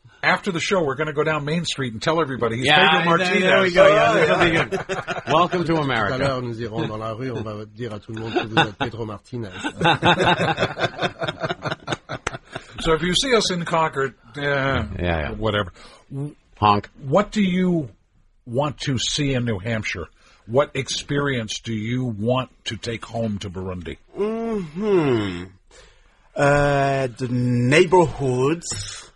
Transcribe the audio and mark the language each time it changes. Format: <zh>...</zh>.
<en>After the show, we're going to go down Main Street and tell everybody he's yeah, Pedro Martinez. There we go. Yeah, there we go. Welcome to America.</en> <fr>Tout à l'heure, nous irons dans la rue. On va dire à tout le monde que vous êtes Pedro Martinez.</fr> <en>So if you see us in Concord, whatever. Honk. What do you want to see in New Hampshire? What experience do you want to take home to Burundi? Mm-hmm. The neighborhoods,</en>